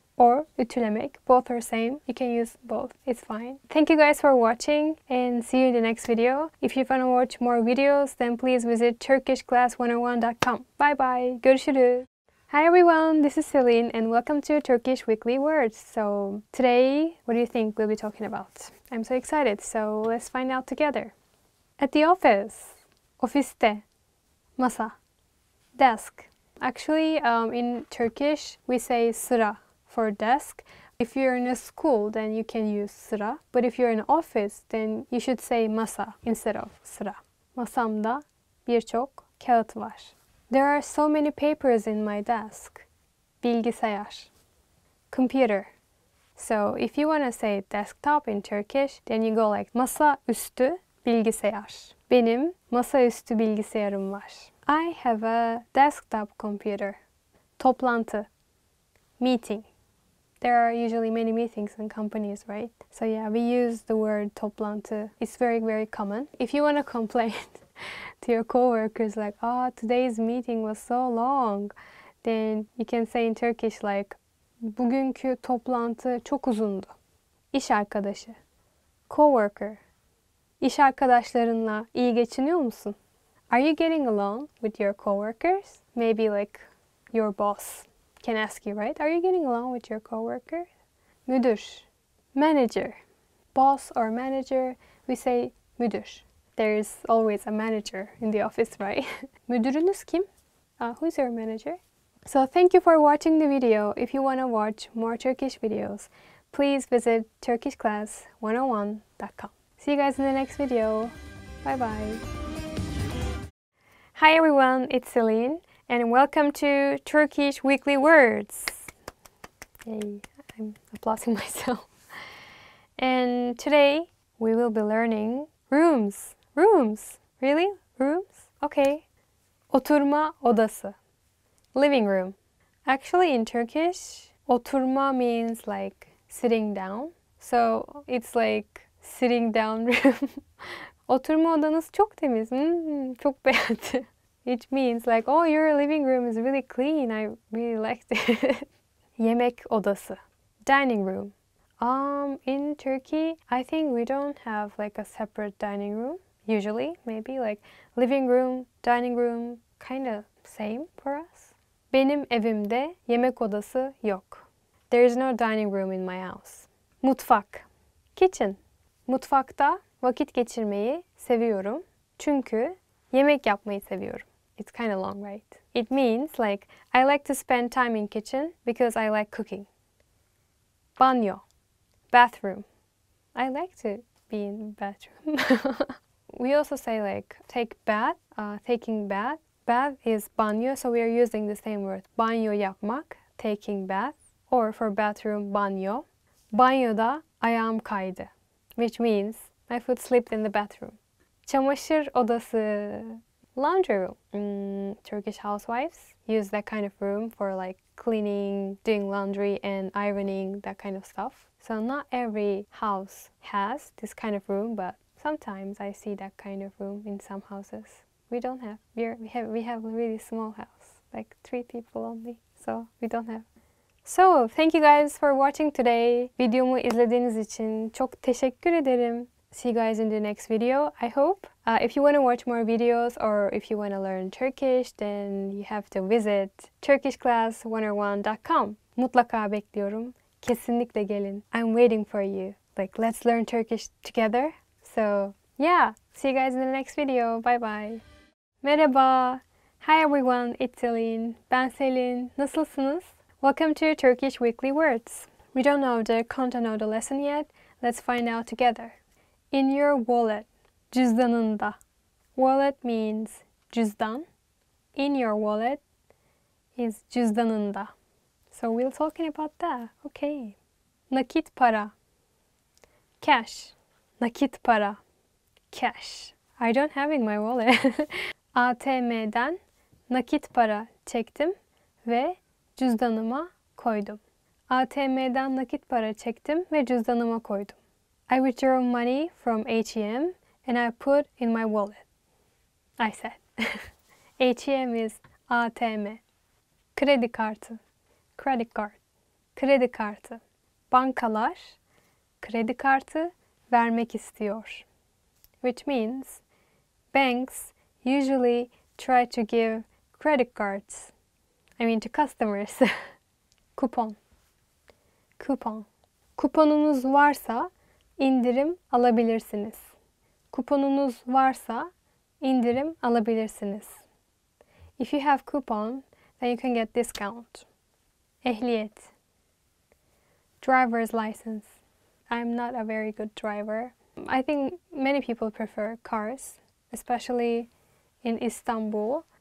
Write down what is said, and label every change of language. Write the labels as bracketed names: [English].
[English] or ütülemek. Both are same. You can use both. It's fine. Thank you guys for watching and see you in the next video. If you want to watch more videos, then please visit turkishclass101.com. Bye-bye. [Turkish] Görüşürüz. [English] Hi everyone, this is Celine and welcome to Turkish Weekly Words. So today, what do you think we'll be talking about? I'm so excited, so let's find out together. At the office, ofiste, masa, desk. Actually, in Turkish, we say sıra for desk. If you're in a school, then you can use sıra. But if you're in an office, then you should say masa instead of sıra. [Turkish] Masamda birçok kağıt var. [English] There are so many papers in my desk. Bilgisayar. Computer. So if you want to say desktop in Turkish, then you go like masa üstü bilgisayar. [Turkish] Benim masa üstü bilgisayarım var. [English] I have a desktop computer. Toplantı. Meeting. There are usually many meetings in companies, right? So yeah, we use the word toplantı. It's very, very common. If you want to complain to your coworkers, like, oh, today's meeting was so long, then you can say in Turkish, like, [Turkish] bugünkü toplantı çok uzundu. İş arkadaşı. Coworker. İş arkadaşlarınla iyi geçiniyor musun? [English] Are you getting along with your coworkers? Maybe, like, your boss can ask you, right? Are you getting along with your coworker? Müdür. Manager. Boss or manager, we say müdür. There is always a manager in the office, right? [Turkish] Müdürünüz kim? [English] Who's your manager? So thank you for watching the video. If you want to watch more Turkish videos, please visit turkishclass101.com. See you guys in the next video. Bye-bye. Hi everyone, it's Celine, and welcome to Turkish Weekly Words. Yay, I'm applauding myself. And today, we will be learning rooms. Rooms, really? Rooms? Okay. Oturma odası. Living room. Actually, in Turkish, oturma means like sitting down. So it's like sitting down room. [Turkish] Oturma odanız çok temiz. Çok beğendi. [English] It means like, oh, your living room is really clean. I really liked it. Yemek odası. Dining room. In Turkey, I think we don't have like a separate dining room. Usually, maybe like living room, dining room, kind of same for us. [Turkish] Benim evimde yemek odası yok. [English] There is no dining room in my house. [Turkish] Mutfak. Kitchen. Mutfakta vakit geçirmeyi seviyorum. Çünkü yemek yapmayı seviyorum. [English] It's kind of long, right? It means like I like to spend time in kitchen because I like cooking. Banyo. Bathroom. I like to be in bathroom. We also say like take bath, taking bath. Bath is banyo, so we are using the same word. Banyo yapmak, taking bath. Or for bathroom, banyo. [Turkish] Banyoda ayağım kaydı. [English] Which means my foot slipped in the bathroom. Çamaşır odası. Laundry room. Turkish housewives use that kind of room for like cleaning, doing laundry and ironing, that kind of stuff. So not every house has this kind of room, but sometimes I see that kind of room in some houses. We don't have. We have a really small house, like 3 people only. So we don't have. So thank you guys for watching today. [Turkish] Videomu izlediğiniz için çok teşekkür ederim. [English] See you guys in the next video, I hope. If you want to watch more videos or if you want to learn Turkish, then you have to visit turkishclass101.com. [Turkish] Mutlaka bekliyorum. Kesinlikle gelin. [English] I'm waiting for you. Like, let's learn Turkish together. So, yeah. See you guys in the next video. Bye-bye. Merhaba. Hi, everyone. It's Celine. [Turkish] Ben Celine. Nasılsınız? [English] Welcome to Turkish Weekly Words. We don't know the content of the lesson yet. Let's find out together. In your wallet. Cüzdanında. Wallet means cüzdan. In your wallet is cüzdanında. So we're talking about that. Okay. Nakit para. Cash. Nakit para. Cash. I don't have it in my wallet. [Turkish] ATM'den nakit para çektim ve cüzdanıma koydum. ATM'den nakit para çektim ve cüzdanıma koydum. [English] I withdrew money from ATM and I put in my wallet. I said. ATM is ATM. Kredi kartı. Credit card. kredi kartı. [Turkish] Bankalar kredi kartı vermek istiyor. [English] Which means banks usually try to give credit cards. I mean to customers. Kupon. Kupon. [Turkish] Kuponunuz varsa indirim alabilirsiniz. Kuponunuz varsa indirim alabilirsiniz. [English] If you have coupon, then you can get discount. Ehliyet. Driver's license. I'm not a very good driver. I think many people prefer cars, especially in Istanbul.